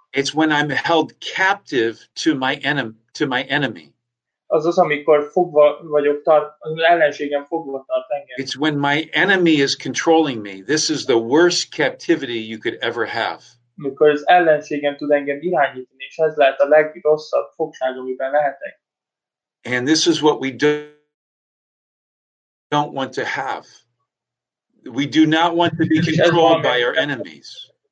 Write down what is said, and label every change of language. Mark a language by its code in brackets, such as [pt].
[en] It's when I'm held captive to my enemy. [hu] Azaz, amikor fogva vagyok az ellenségem fogva tart engem. [en] It's when my enemy is controlling me. This is the worst captivity you could ever have. [hu] Mikor az ellenségem tud engem irányítani, és ez lehet a legrosszabb fogság, amiben lehetek. [en] And this is what we don't want to have. We do not want to be controlled by our enemies.